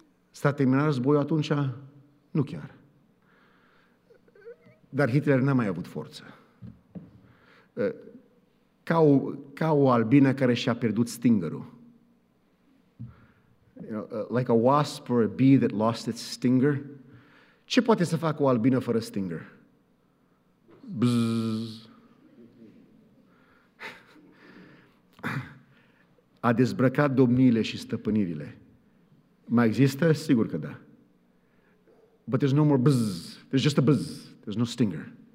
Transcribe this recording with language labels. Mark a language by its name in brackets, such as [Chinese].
[Romanian] S-a terminat războiul atunci? Nu chiar. Dar Hitler n-a mai avut forță. Ca o albină care și-a pierdut stingerul. [English] You know, like a wasp or a bee that lost its stinger. [Romanian] Ce poate să facă o albină fără stinger? Bzzz. A dezbrăcat domniile și stăpânirile. Mai există? Sigur că da. [English] But there's no more buzz. There's just a buzz. There's no stinger.